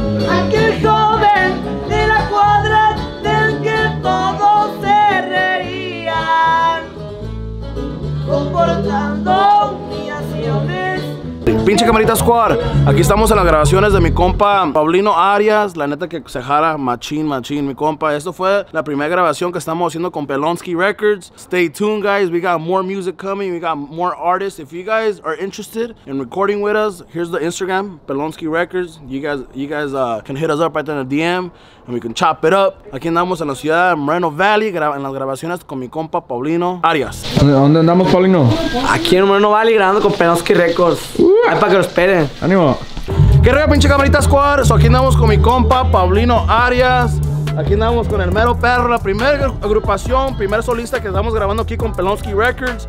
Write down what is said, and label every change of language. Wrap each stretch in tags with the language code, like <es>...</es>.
<es>Aquel joven de la cuadra del que todos se reían, comportando humillaciones. Pinche Camarita Squad, aquí estamos en las grabaciones de mi compa Paulino Arias. La neta que se jara machín, machín, mi compa. Esto fue la primera grabación que estamos haciendo con Pelonsky Records.</es> <en>Stay tuned, guys. We got more music coming. We got more artists. If you guys are interested in recording with us, here's the Instagram, Pelonsky Records. You guys can hit us up right there in the DM and we can chop it up.</en> <es>Aquí andamos en la ciudad de Moreno Valley en las grabaciones con mi compa Paulino Arias. ¿Dónde andamos, Paulino? Aquí en Moreno Valley grabando con Pelonsky Records. Ay, para que lo esperen. Ánimo. ¿Qué rollo, pinche Camarita Squad? So, aquí andamos con mi compa, Paulino Arias. Aquí andamos con el mero perro, la primera agrupación, primer solista que estamos grabando aquí con Pelonsky Records.</es>